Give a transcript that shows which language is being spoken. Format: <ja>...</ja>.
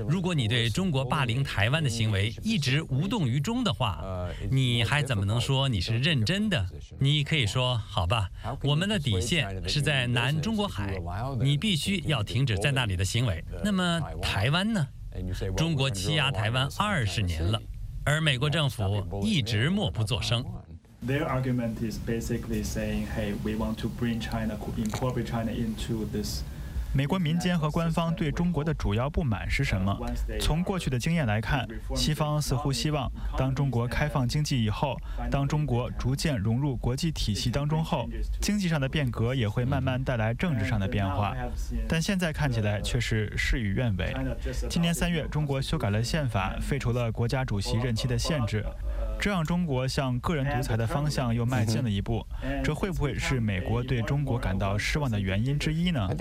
<zh>如果你对中国霸凌台湾的行为一直无动于衷的话，你还怎么能说你是认真的？你可以说，好吧，我们的底线是在南中国海，你必须要停止在那里的行为。那么台湾呢？中国欺压台湾20年了，而美国政府一直默不作声。</zh> <en>Their argument is basically saying, hey, we want to bring China, incorporate China into this.</en> <zh>美国民间和官方对中国的主要不满是什么？从过去的经验来看，西方似乎希望当中国开放经济以后，当中国逐渐融入国际体系当中后，经济上的变革也会慢慢带来政治上的变化。但现在看起来却是事与愿违。今年3月，中国修改了宪法，废除了国家主席任期的限制，这让中国向个人独裁的方向又迈进了一步，这会不会是美国对中国感到失望的原因之一呢？</zh>